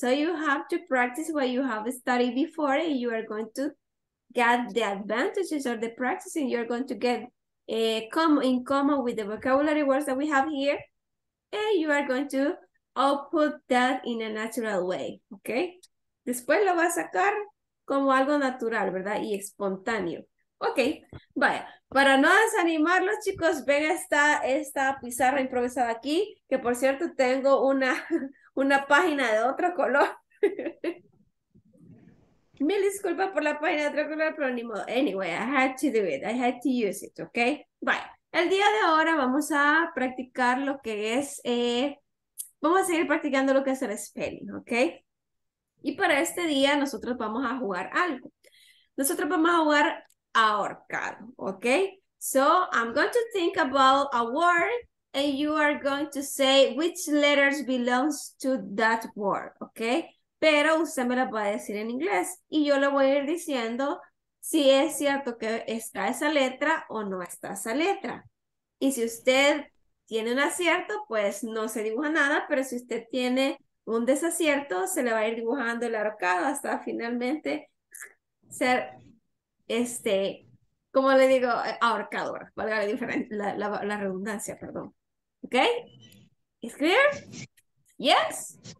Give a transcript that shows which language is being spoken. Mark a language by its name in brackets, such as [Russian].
[English] So you have to practice what you have studied before and you are going to get the advantages of the practice and you're going to get in common with the vocabulary words that we have here and you are going to output that in a natural way, okay? [Spanish] Después lo va a sacar como algo natural, ¿verdad? Y espontáneo. Okay, vaya. Para no desanimarlos, chicos, ven esta pizarra improvisada aquí, que por cierto tengo una página de otro color. Mil disculpas por la página de otro color, pero ni modo. [English] Anyway, I had to do it. I had to use it, okay? Bye. [Spanish] El día de ahora vamos a practicar lo que es, vamos a seguir practicando lo que es el spelling, okay? Y para este día nosotros vamos a jugar algo. Nosotros vamos a jugar ahorcado, okay? [English] So I'm going to think about a word and you are going to say which letters belongs to that word, okay? [Spanish] pero usted me la va a decir en inglés y yo le voy a ir diciendo si es cierto que está esa letra o no está esa letra. Y si usted tiene un acierto, pues no se dibuja nada, pero si usted tiene un desacierto, se le va a ir dibujando el arcado hasta finalmente ser, como le digo, ahorcador, valga la diferencia, la redundancia, perdón. ¿Ok? ¿Es clear? ¿Yes?